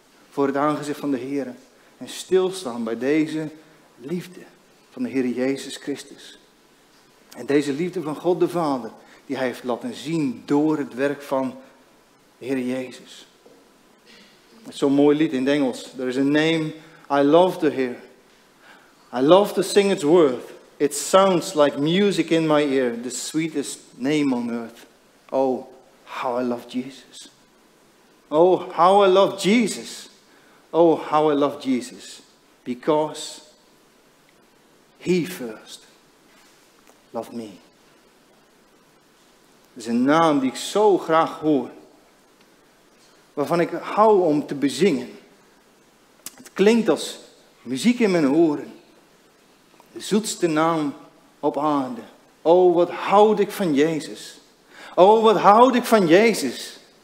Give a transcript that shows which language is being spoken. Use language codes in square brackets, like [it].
[nl] Voor het aangezicht van de Heer. En stilstaan bij deze liefde van de Heer Jezus Christus. En deze liefde van God de Vader, die Hij heeft laten zien door het werk van de Heer Jezus. Het is zo'n mooi lied in het Engels. [en] There is a name, I love to hear. I love to sing its worth. It sounds like music in my ear. The sweetest name on earth. Oh, how I love Jesus. Oh, how I love Jesus. Oh, how I love Jesus. Because He first love me. [nl] Dat is een naam die ik zo graag hoor. Waarvan ik hou om te bezingen. Het klinkt als muziek in mijn oren. De zoetste naam op aarde. Oh, wat houd ik van Jezus. Oh, wat houd ik van Jezus.